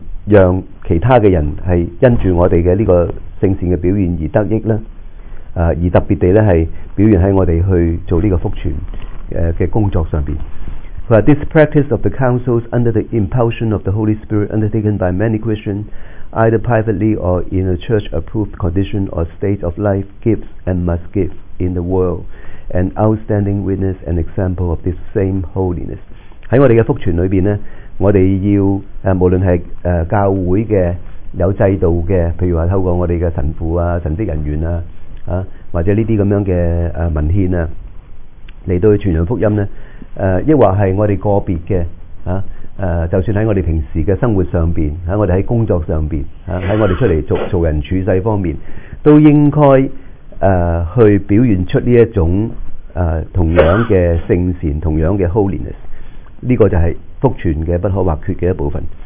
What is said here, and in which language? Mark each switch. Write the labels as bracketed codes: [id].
[zh] 让其他的人是因住我们的这个圣善的表现而得益呢，而特别地是表现在我们去做这个复传的工作上面。 [en] This practice of the councils under the impulsion of the Holy Spirit undertaken by many Christians, either privately or in a church-approved condition or state of life, gives and must give in the world an outstanding witness and example of this same holiness. [zh] 在我们的复传里面呢，我们要、无论是、教会的有制度的，譬如说透过我们的神父啊、神职人员或者这些这样的、文献啊，来到传扬福音呢，亦或是我们个别的、就算在我们平时的生活上面，在我们在工作上面、在我们出来 做人处世方面，都应该、去表现出这一种、同样的圣善，同样的 holiness， 这个就是福传的不可或缺的一部分。